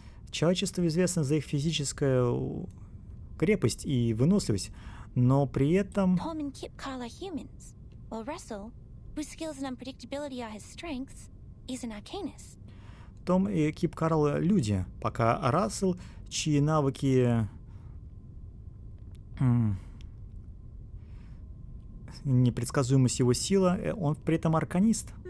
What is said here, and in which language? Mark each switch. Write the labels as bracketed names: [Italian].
[Russian] Человечество известно за их физическую крепость и выносливость, но при этом... [English] Tom and Kip Carl are humans, while Russell, whose skills and unpredictability are his strengths, is an arcanist. [Russian] Том и Кип Карл — люди, пока Рассел, чьи навыки... непредсказуемость его сила, он при этом арканист.